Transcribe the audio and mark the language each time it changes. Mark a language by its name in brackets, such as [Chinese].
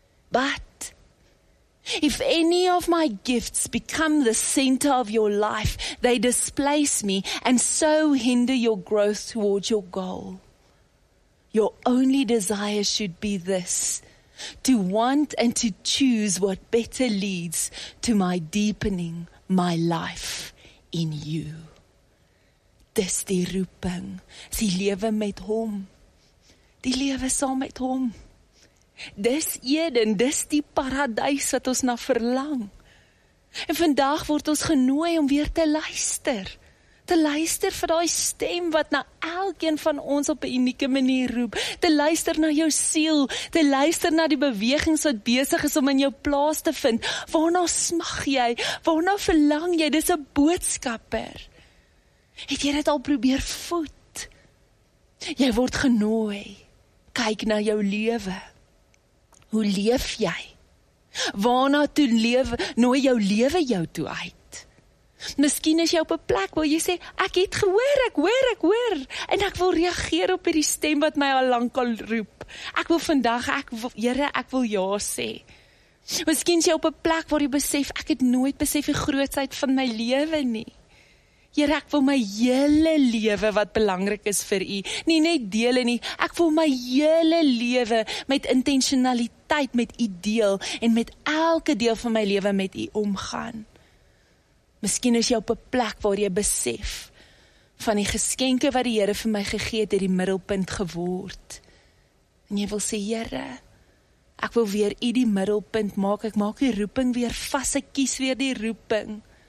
[English] But if any of my gifts become the center of your life, they displace me and so hinder your growth towards your goal. Your only desire should be this: to want and to choose what better leads to my deepening my life in you. [Afrikaans] Dis die roeping, die lewe met hom, die lewe saam met hom. Dis Eden, dis die paradys wat ons na verlang. En vandag word ons genooi om weer te luister vir daai stem wat na elkeen van ons op 'n unieke manier roep, te luister na jou siel, te luister na die bewegings wat besig is om in jou plaas te vind. Waarna smag jy? Waarna verlang jy? Dis 'n boodskapper. Het jy dit al probeer voed? Jy word genooi. Kyk na jou lewe. Hoe leef jy? Waarna toe lewe, nooi jou lewe jou toe uit? Miskien is jy op 'n plek waar jy sê, ek het gehoor, ek hoor, en ek wil reageer op hierdie stem wat my al lank al roep. Ek wil vandag, ek wil ja sê. Miskien is jy op 'n plek waar jy besef, ek het nooit besef die grootsheid van my lewe nie. Here, ek wil my hele lewe wat belangrik is vir u, nie net dele nie, ek wil my hele lewe met intentionaliteit met u deel en met elke deel van my lewe met u omgaan. Miskien is jy op 'n plek waar jy besef van die geskenke wat die Here vir my gegee het, die middelpunt geword. En jy wil sê, Here, ek wil weer U die middelpunt maak. Ek maak die roeping weer vas. Ek kies weer die roeping.